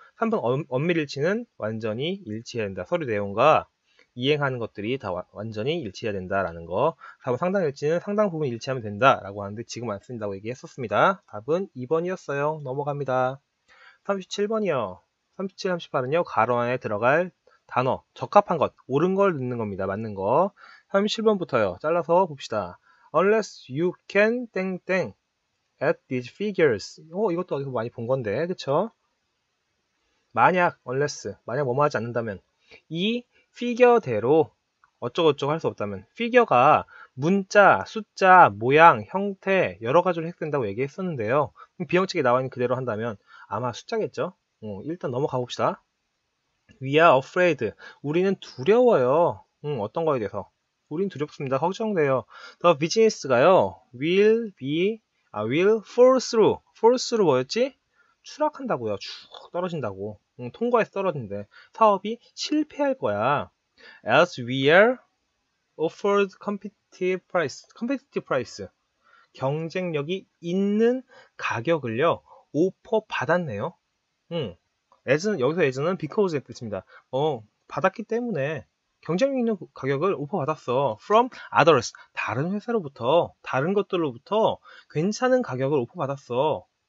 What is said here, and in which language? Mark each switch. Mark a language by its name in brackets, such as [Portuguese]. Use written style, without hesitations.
[Korean] 3번, 엄밀일치는 완전히 일치해야 된다. 서류 내용과 이행하는 것들이 다 완전히 일치해야 된다라는 거. 4번, 상당일치는 상당 부분 일치하면 된다라고 하는데 지금 안 쓴다고 얘기했었습니다. 답은 2번이었어요. 넘어갑니다. 37번이요. 37, 38은요, 가로 안에 들어갈 단어, 적합한 것, 옳은 걸 넣는 겁니다. 맞는 거. 37번부터요. 잘라서 봅시다. [English] Unless you can 땡땡 at these figures. [Korean] 이것도 어디서 많이 본 건데, 그쵸? 만약, unless, 만약 뭐뭐 하지 않는다면, 이 figure대로 어쩌고저쩌고 할수 없다면, figure가 문자, 숫자, 모양, 형태, 여러 가지로 해석된다고 얘기했었는데요. 비형식이 나와 있는 그대로 한다면, 아마 숫자겠죠? 일단 넘어가 봅시다. [English] We are afraid. [Korean] 우리는 두려워요. 어떤 거에 대해서? 우린 두렵습니다. 걱정돼요. [English] The business가요, will fall through. [Korean] fall through 뭐였지? 추락한다고요. 쭉 떨어진다고. 통과해서 떨어진대. 사업이 실패할 거야. [English] As we are offered competitive price. [Korean] 경쟁력이 있는 가격을요, offer 받았네요. As는, 여기서 as는 because의 뜻입니다. 받았기 때문에 경쟁력 있는 가격을 오퍼 받았어. [English] From others. [Korean] 다른 회사로부터, 다른 것들로부터 괜찮은 가격을 오퍼 받았어.